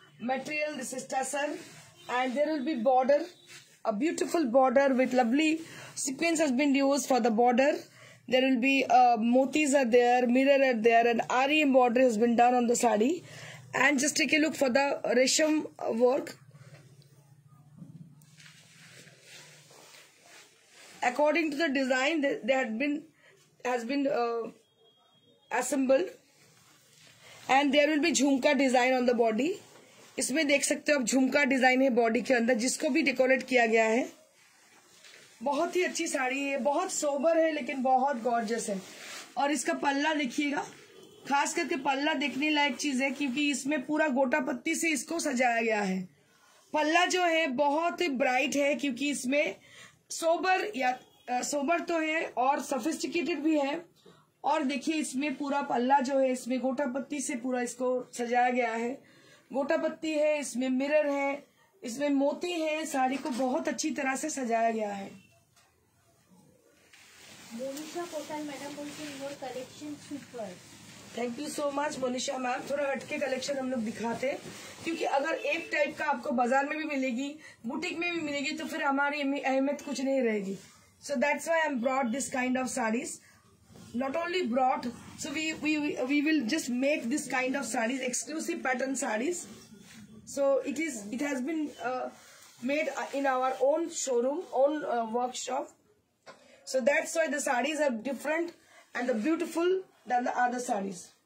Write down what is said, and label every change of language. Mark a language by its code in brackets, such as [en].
[en] material, this is tassar, and there will be border, a beautiful border with lovely sequins has been used for the border, there will be motis are there, mirror are there, and ari embroidery has been done on the sari, and just take a look for the resham work, according to the design they had been has been assembled and there will be jhumka design on the body. [hi] इसमें देख सकते हो आप झुमका design है body के अंदर जिसको भी डेकोरेट किया गया है. बहुत ही अच्छी साड़ी है, बहुत सोबर है लेकिन बहुत गॉर्जियस है. और इसका पल्ला देखिएगा, खास करके पल्ला देखने लायक चीज है क्योंकि इसमें पूरा गोटा पत्ती से इसको सजाया गया है. पल्ला जो है बहुत ही ब्राइट है क्योंकि इसमें सोबर या सोबर तो है और सोफिस्टिकेटेड भी है. और देखिए इसमें पूरा पल्ला जो है इसमें गोटा पत्ती से पूरा इसको सजाया गया है. गोटा पत्ती है, इसमें मिरर है, इसमें मोती है, साड़ी को बहुत अच्छी तरह से सजाया गया है. मोनिशा कोटल मैडम बोलते हैं [en] Your collection super. Thank you so much Monisha ma'am. [hi] थोड़ा हटके कलेक्शन हम लोग दिखाते क्योंकि अगर एक टाइप का आपको बाजार में भी मिलेगी, बुटीक में भी मिलेगी तो फिर हमारी अहमियत कुछ नहीं रहेगी. [en] So that's why I am brought this kind of sarees. Not only brought, so we will just make this kind of sarees, exclusive pattern sarees. So it has been made in our own showroom, own workshop. So that's why the sarees are different and the beautiful than the other sarees.